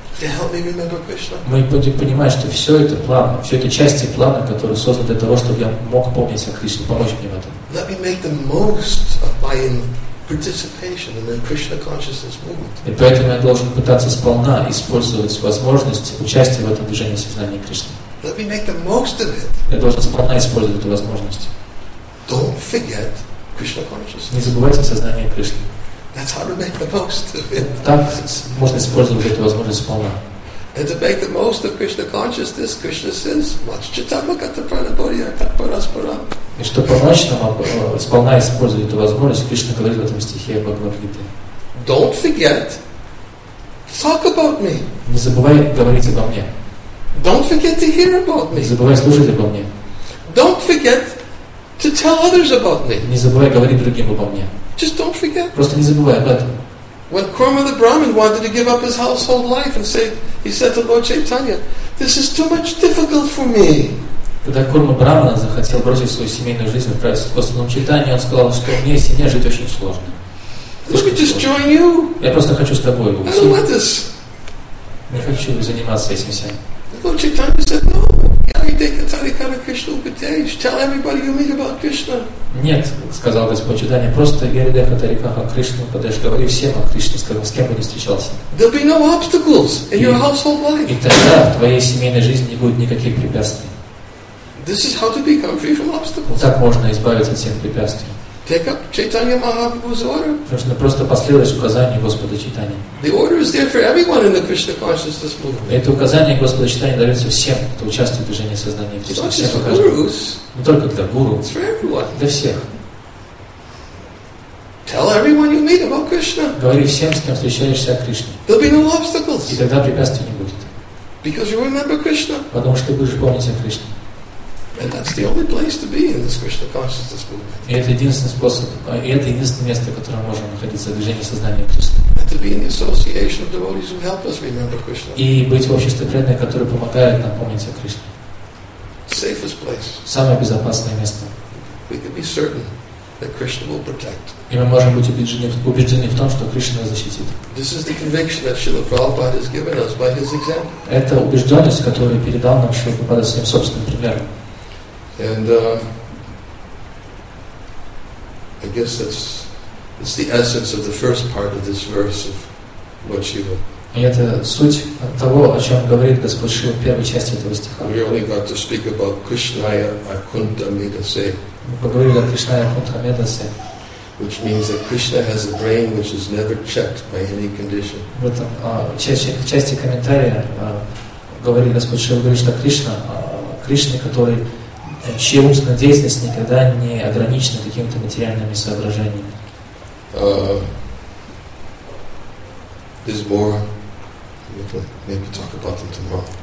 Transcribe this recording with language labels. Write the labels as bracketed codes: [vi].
[en] To help me remember Krishna. [ru] Мы будем понимать, что все это план, все это части плана, который создан для того, чтобы я мог помнить о Кришне, помочь мне в этом. [en] Let me make the most of my participation in the Krishna consciousness movement. [ru] И поэтому я должен пытаться сполна использовать возможность участия в этом движении сознания Кришны. [en] Let me make the most of it. [ru] Я должен сполна использовать эту возможность. [en] Don't forget Krishna consciousness. [ru] Не забывайте о сознании Кришны. [en] That's how to make the most of it. [ru] Так можно использовать эту возможность полно. [en] And to make the most of Krishna consciousness, Krishna says, [sa] "Much chitamakata pranabodhya taparasparam." [ru] И чтобы помочь нам сполна использовать эту возможность, Кришна говорит в этом стихе Бхагавад-гиты. [en] Don't forget. Talk about me. [ru] Не забывай говорить обо мне. [en] Don't forget to hear about me. [ru] Не забывай слушать обо мне. [en] Don't forget to tell others about me. [ru] Не забывай говорить другим обо мне. [en] Just don't forget. [ru] Просто не забывай об этом. [en] When Kurma the Brahmin wanted to give up his household life and say, he said to Lord Chaitanya, "This is too much difficult for me." [ru] Когда Курма Брахмана захотел бросить свою семейную жизнь и отправиться к Господу Чайтанье, он сказал, что мне семья жить очень сложно. [en] Let me just join you. [ru] Я просто хочу с тобой. [en] I don't want this. [ru] Не хочу заниматься этим всем. [en] Lord Chaitanya said, "No. You take a tarikara Krishna upadesh. Tell everybody you meet about Krishna." [ru] Нет, сказал Господь Чайтанья, просто Гаридеха Тарикаха Кришну Падеш, говори всем о Кришне, скажем, с кем бы ни встречался. [en] There'll be no obstacles in your household life. [ru] И тогда в твоей семейной жизни не будет никаких препятствий. [en] This is how to become free from obstacles. [ru] Так можно избавиться от всех препятствий. [en] Take up Chaitanya Mahaprabhu's order. [ru] Нужно просто последовать указанию Господа Чайтанья. [en] The order is there for everyone in the Krishna consciousness movement. [ru] Это указание Господа Чайтанья дается всем, кто участвует в движении сознания Кришны. Не только для гуру. [en] It's for everyone. [ru] Для всех. [en] Tell everyone you meet about Krishna. [ru] Говори всем, с кем встречаешься о Кришне. [en] There'll be no obstacles. [ru] И тогда препятствий не будет. [en] Because you remember Krishna. [ru] Потому что ты будешь помнить о Кришне. [en] And that's the only place to be in this Krishna consciousness movement. [ru] И это единственный способ, и это единственное место, в котором можно находиться в движении сознания Кришны. [en] And to be in the association of devotees who help us remember Krishna. [ru] И быть в обществе преданных, которые помогают нам помнить о Кришне. [en] Safest place. [ru] Самое безопасное место. [en] We can be certain that Krishna will protect. [ru] И мы можем быть убеждены в том, что Кришна нас защитит. [en] This is the conviction that Srila Prabhupada has given us by his example. [ru] Это убежденность, которую передал нам Шрила Прабхупада своим собственным примером. [en] And I guess that's the essence of the first part of this verse of Lord Shiva. [ru] И это суть того, о чем говорит Господь Шива в первой части этого стиха. [en] We only got to speak about Krishnaya Akunta Medase. [ru] Мы поговорили о Кришная Акунта Медасе. [en] Which means that Krishna has a brain which is never checked by any condition. [ru] В этом части комментария говорит Господь Шива, говорит, что Кришна, который чья умственная деятельность никогда не ограничена какими-то материальными соображениями. [en] There's more. We can maybe talk about them tomorrow.